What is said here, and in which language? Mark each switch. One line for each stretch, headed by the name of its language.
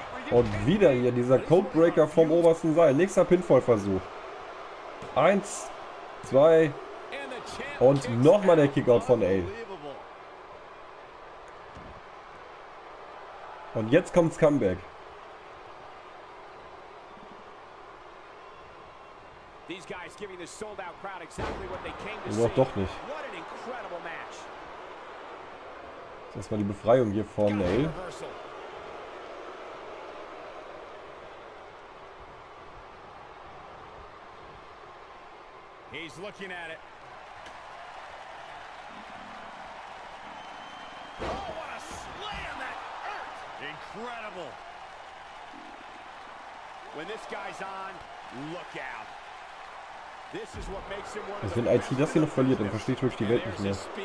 German: Und wieder hier dieser Codebreaker vom obersten Seil. Nächster Pinfall-Versuch. Eins, zwei. Und nochmal der Kickout von L. Und jetzt kommt's Comeback.
English: These guys giving the sold out crowd exactly what they came to see.
German: Oh, doch nicht.
English: What an incredible match.
German: Das war die Befreiung hier von L.
English: He's looking at it. Oh, what a slam that hurt! Incredible. When this guy's on, look out. This is what makes him one of the best.
German: Wenn IT das hier noch verliert, dann verstehe ich wirklich die Welt nicht mehr.